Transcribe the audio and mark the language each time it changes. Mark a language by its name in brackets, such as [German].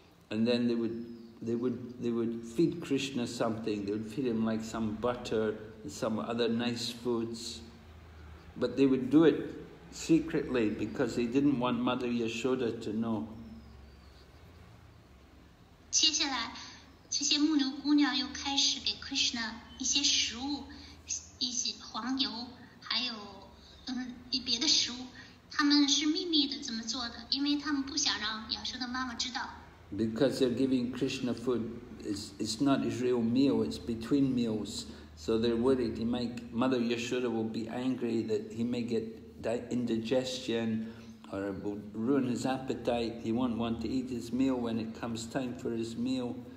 [English] And then they would. They would feed Krishna something. They would feed him like some butter and some other nice foods. But they would do it secretly because they didn't want Mother Yashoda to know. [Chinese] 接下来，这些牧牛姑娘又开始给 Krishna 一些食物，一些黄油，还有别的食物。他们是秘密的这么做的，因为他们不想让亚瑟的妈妈知道。 [English] Because they're giving Krishna food, it's not his real meal, it's between meals. So they're worried he might, Mother Yashoda will be angry that he may get indigestion or it will ruin his appetite. He won't want to eat his meal when it comes time for his meal.